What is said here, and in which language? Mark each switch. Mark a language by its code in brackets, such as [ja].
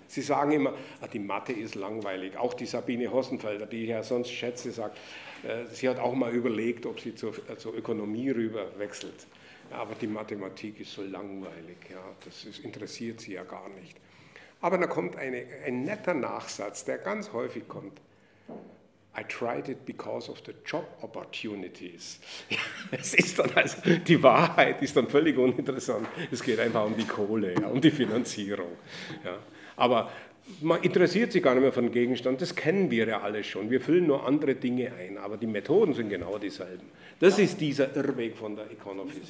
[de] Sie sagen immer, die Mathe ist langweilig. Auch die Sabine Hossenfelder, die ich ja sonst schätze, sagt, sie hat auch mal überlegt, ob sie zur Ökonomie rüberwechselt. Ja, aber die Mathematik ist so langweilig. Ja, das interessiert sie ja gar nicht. Aber da kommt ein netter Nachsatz, der ganz häufig kommt. [en] I tried it because of the job opportunities. [de] Es ist dann also, die Wahrheit ist dann völlig uninteressant. Es geht einfach um die Kohle, ja, um die Finanzierung. Ja. Aber man interessiert sich gar nicht mehr für den Gegenstand. Das kennen wir ja alle schon. Wir füllen nur andere Dinge ein. Aber die Methoden sind genau dieselben. Das ist dieser Irrweg von der Econophysics.